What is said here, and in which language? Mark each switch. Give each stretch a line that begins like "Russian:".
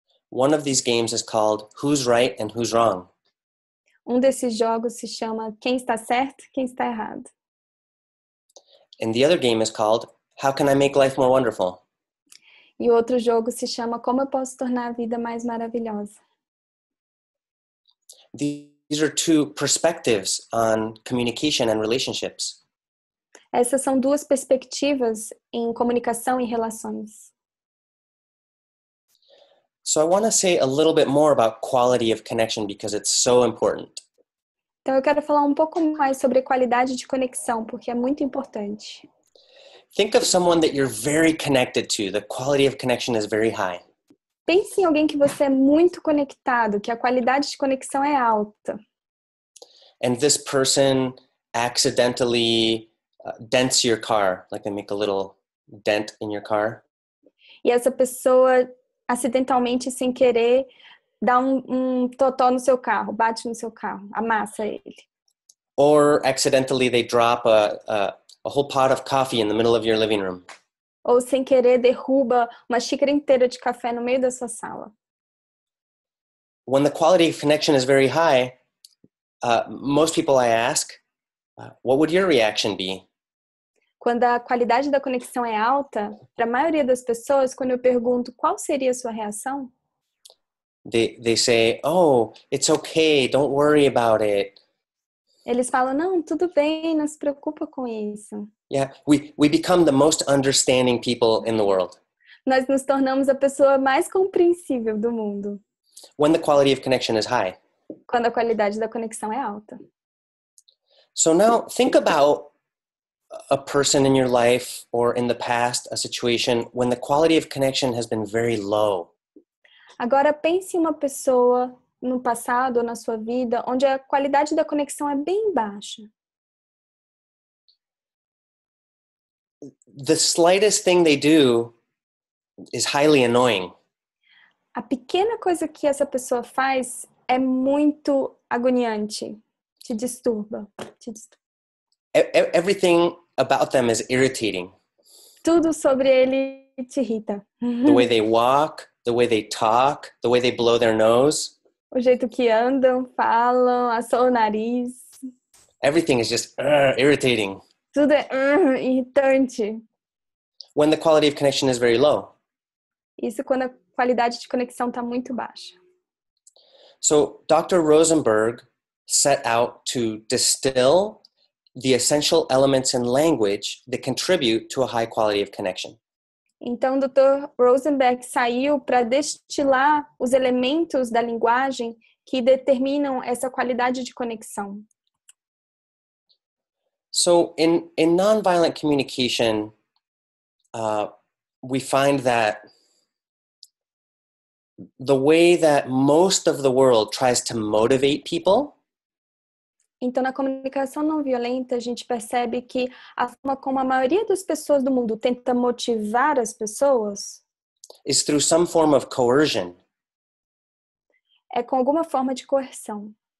English: One of these games is called who's right and who's wrong.
Portuguese: Um desses jogos se chama quem está certo, quem está errado.
English: And the other game is called how can I make life more wonderful?
Portuguese: E outro jogo se chama como eu posso tornar a vida mais maravilhosa.
English: These are two perspectives on communication and relationships.
Portuguese: Essas são duas perspectivas em comunicação e relações.
English: So I want to say a little bit more about quality of connection because it's so important.
Portuguese: Então eu quero falar um pouco mais sobre a qualidade de conexão, porque é muito importante.
English: Think of someone that you're very connected to. The quality of connection is very high.
Portuguese: Pense em alguém que você é muito conectado, que a qualidade de conexão é alta.
English: And this person accidentally dents your car, like they make a little dent in your car.
Portuguese: E essa pessoa acidentalmente, sem querer, dá um totó no seu carro, bate no seu carro, amassa ele.
English: Or accidentally they drop a whole pot of coffee in the middle of your living room.
Portuguese: Ou sem querer derruba uma xícara inteira de café no meio da sua sala.
English: When the quality of connection is very high, most people I ask, what would your reaction be?
Portuguese: Quando a qualidade da conexão é alta, para a maioria das pessoas, quando eu pergunto qual seria a sua reação?
English: They say, oh, it's okay, don't worry about it.
Portuguese: Eles falam, não, tudo bem, não se preocupa com isso.
English: Yeah, we become the most understanding people in the world.
Portuguese: Nós nos tornamos a pessoa mais compreensível do mundo.
English: When the quality of connection is high.
Portuguese: Quando a qualidade da conexão é alta.
English: So now, think about a person in your life or in the past, a situation when the quality of connection has been very low.
Portuguese: Agora pense em uma pessoa no passado ou na sua vida onde a qualidade da conexão é bem baixa.
English: The slightest thing they do is highly annoying.
Portuguese: A pequena coisa que essa pessoa faz é muito agoniante, te disturba.
English: Everything about them is irritating.
Portuguese: Tudo sobre ele te irrita.
English: The way they walk, the way they talk, the way they blow their nose.
Portuguese: O jeito que andam, falam, assoam o nariz.
English: Everything is just irritating.
Portuguese: Tudo é irritante.
English: When the quality of connection is very low.
Portuguese: Isso quando a qualidade de conexão está muito baixa.
English: So, Dr. Rosenberg set out to distill the essential elements in language that contribute to a high quality of connection.
Portuguese: Então, Dr. Rosenberg saiu para destilar os elementos da linguagem que determinam essa qualidade de conexão.
English: So, in nonviolent communication, we find that the way that most of the world tries to motivate people.
Portuguese: Então, na comunicação não violenta, a gente percebe que a forma como a maioria das pessoas do mundo tenta motivar as pessoas
English: is through some form of coercion.
Portuguese: É com alguma forma de coerção.